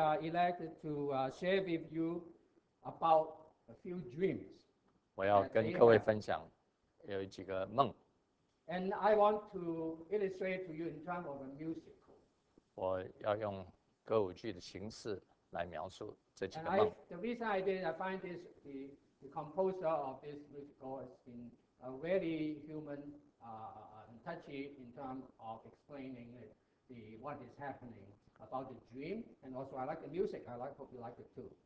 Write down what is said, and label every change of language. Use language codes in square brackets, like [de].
[en] elected to share with you about a few dreams. [zh] 我要跟各位分享有几个梦。And [en] I want to illustrate to you in terms of a musical. [zh] 我要用歌舞剧的形式来描述。 [en] The reason I did, I find this the composer of this musical has been a very human and touchy in terms of explaining it. what is happening about the dream, and also I like the music. I like, hope you like it too.